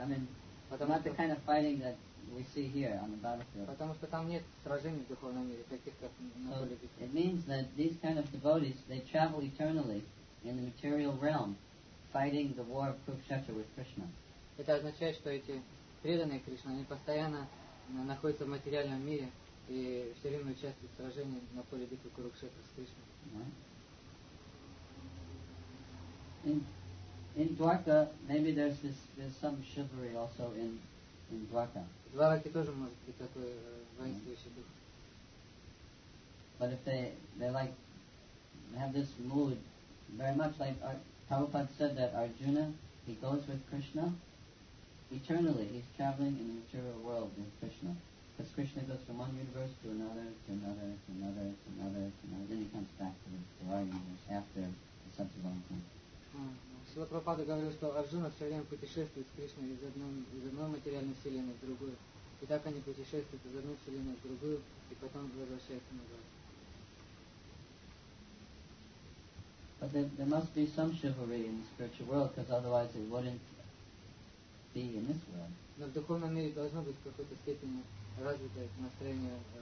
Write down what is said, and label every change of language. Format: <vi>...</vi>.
<en>I mean,</en> <ru>потому</ru> <en>not the kind of fighting that we see here on the battlefield.</en> <ru>Потому что там нет сражений в духовном мире таких, как на поле битвы.</ru> <en>It means that these kind of devotees, they travel eternally in the material realm, fighting the war of Kurukshetra with Krishna.</en> <ru>Это означает, что эти преданные Кришне, они постоянно находятся в материальном мире и все время участвуют в сражении на поле битвы Курукшетры с Кришной.</ru> <en>In Dwarka, maybe there's some chivalry also in Dwarka.</en> <ru>Dwaraki тоже может быть такой воинствующий дух.</ru> <en>But if they like have this mood, very much like Prabhupada said that Arjuna, he goes with Krishna eternally. He's traveling in the material world with Krishna. Because Krishna goes from one universe to another, to another, to another, to another, to another, then he comes back to the our universe after such a long time.</en> <ru>Шрила Прабхупада говорил, что Арджуна все время путешествует с Кришной из одной материальной вселенной в другую. И так они путешествуют из одной вселенной в другую, и потом возвращаются назад.</ru> <en>But there must be some chivalry in the spiritual world, because otherwise it wouldn't be in this world.</en> <ru>Но в духовном мире должно быть в какой-то степени развитое настроение.</ru>